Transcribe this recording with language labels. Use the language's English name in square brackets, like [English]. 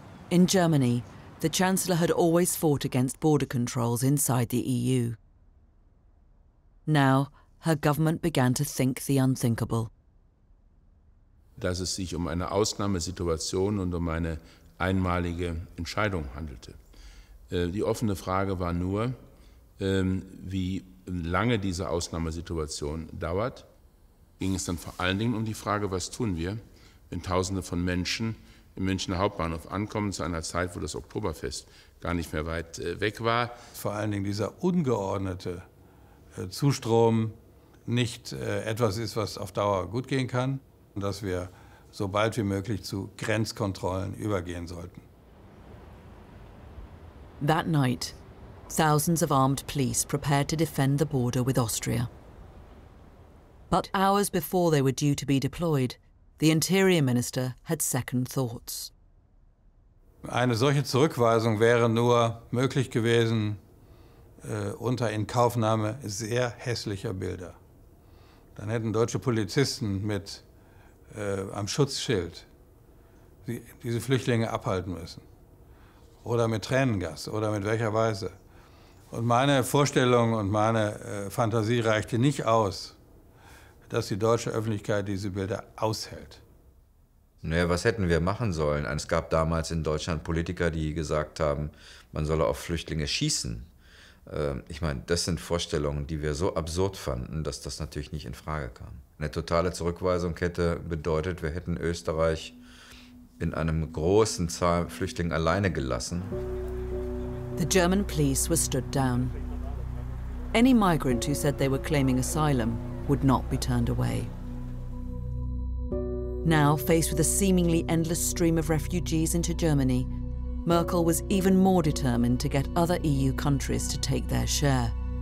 [English] In Germany, the Chancellor had always fought against border controls inside the EU. Now, her government began to think the unthinkable. [German] Dass es sich eine Ausnahmesituation und eine einmalige Entscheidung handelte. Die offene Frage war nur, wie lange diese Ausnahmesituation dauert. ging es dann vor allen Dingen um die Frage, was tun wir, wenn Tausende von Menschen im Münchner Hauptbahnhof ankommen, zu einer Zeit, wo das Oktoberfest gar nicht mehr weit weg war. Vor allen Dingen dieser ungeordnete Zustrom nicht etwas ist, was auf Dauer gut gehen kann, und dass wir so bald wie möglich zu Grenzkontrollen übergehen sollten. [English] That night, thousands of armed police prepared to defend the border with Austria. But hours before they were due to be deployed, the Interior Minister had second thoughts. [German] Eine solche Zurückweisung wäre nur möglich gewesen unter Inkaufnahme sehr hässlicher Bilder. Dann hätten deutsche Polizisten mit am Schutzschild diese Flüchtlinge abhalten müssen. Oder mit Tränengas oder mit welcher Weise. Und meine Vorstellung und meine Fantasie reichte nicht aus, dass die deutsche Öffentlichkeit diese Bilder aushält. Naja, was hätten wir machen sollen? Es gab damals in Deutschland Politiker, die gesagt haben, man solle auf Flüchtlinge schießen. Ich meine, das sind Vorstellungen, die wir so absurd fanden, dass das natürlich nicht in Frage kam. Eine totale Zurückweisung hätte bedeutet, wir hätten Österreich in einem großen Zahl Flüchtlinge alleine gelassen. [English] The German police were stood down. Any migrant who said they were claiming asylum would not be turned away. Now, faced with a seemingly endless stream of refugees into Germany, Merkel was even more determined to get other EU countries to take their share.